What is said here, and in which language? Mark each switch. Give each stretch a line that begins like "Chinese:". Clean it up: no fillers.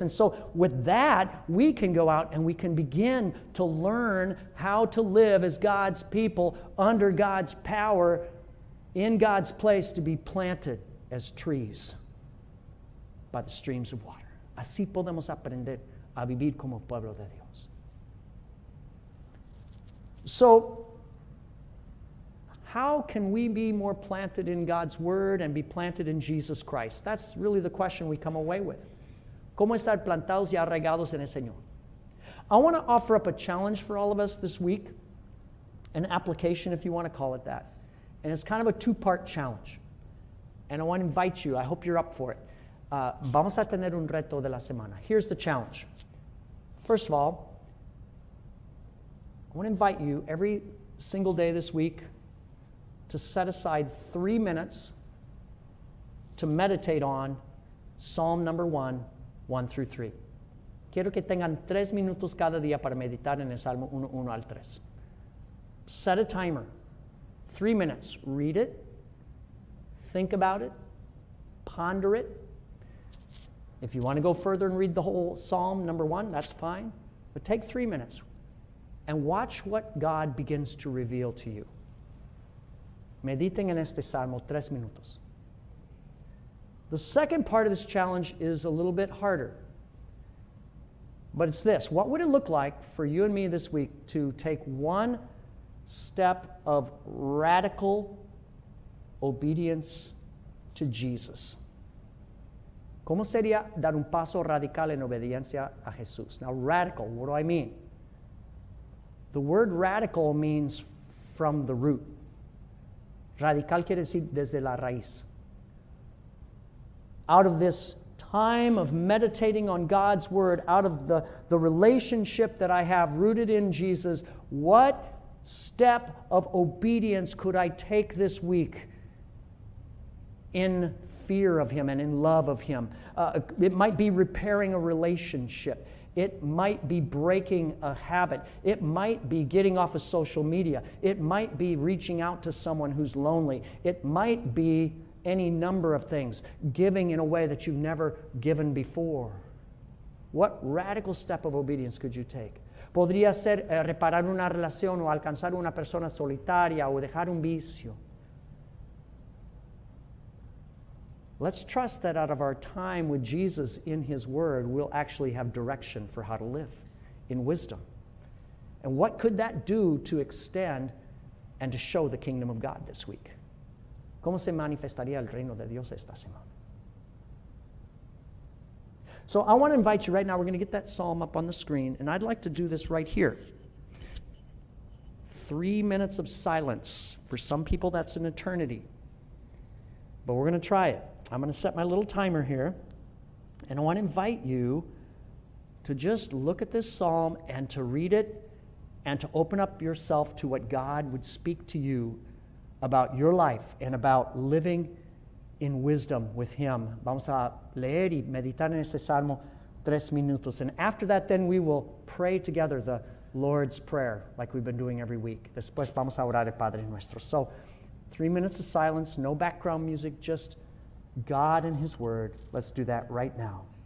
English: And so with that, we can go out and we can begin to learn how to live as God's people, under God's power, in God's place, to be planted as trees by the streams of water.
Spanish: Así podemos aprender a vivir como pueblo de Dios.
English: So, how can we be more planted in God's Word and be planted in Jesus Christ? That's really the question we come away with.
Spanish: ¿Cómo estar plantados y arraigados en el Señor?
English: I want to offer up a challenge for all of us this week, an application, if you want to call it that. And it's kind of a two-part challenge. And I want to invite you. I hope you're up for it.
Spanish: Vamos a tener un reto de la semana.
English: Here's the challenge. First of all, I want to invite you every single day this week to set aside 3 minutes to meditate on Psalm number 1:1-3.
Spanish: Quiero que tengan 3 minutos cada día para meditar en el Salmo 1:1-3.
English: Set a timer. 3 minutes. Read it. Think about it. Ponder it. If you want to go further and read the whole Psalm number 1, that's fine. But take 3 minutes and watch what God begins to reveal to you.
Spanish: Mediten en este Salmo 3 minutos.
English: The second part of this challenge is a little bit harder. But it's this. What would it look like for you and me this week to take one step of radical obedience to Jesus?
Spanish: ¿Cómo sería dar un paso radical en obediencia a Jesús?
English: Now, radical, what do I mean? The word radical means from the root.
Spanish: Radical quiere decir desde la raíz.
English: Out of this time of meditating on God's Word, out of the relationship that I have rooted in Jesus, what step of obedience could I take this week in fear of Him and in love of Him? It might be repairing a relationship. It might be breaking a habit. It might be getting off of social media. It might be reaching out to someone who's lonely. It might be any number of things, giving in a way that you've never given before. What radical step of obedience could you take?
Spanish: Podría ser reparar una relación o alcanzar una persona solitaria o dejar un vicio.
English: Let's trust that out of our time with Jesus in His Word, we'll actually have direction for how to live in wisdom. And what could that do to extend and to show the kingdom of God this week?
Spanish: ¿Cómo se manifestaría el reino de Dios esta semana?
English: So I want to invite you right now, we're going to get that psalm up on the screen, and I'd like to do this right here. 3 minutes of silence. For some people, that's an eternity. But we're going to try it. I'm going to set my little timer here, and I want to invite you to just look at this psalm and to read it and to open up yourself to what God would speak to you about your life and about living in wisdom with Him.
Spanish: Vamos a leer y meditar en este salmo 3 minutos.
English: And after that, then we will pray together the Lord's Prayer like we've been doing every week.
Spanish: Después vamos a orar el Padre Nuestro.
English: So 3 minutes of silence, no background music, just God and His Word. Let's do that right now.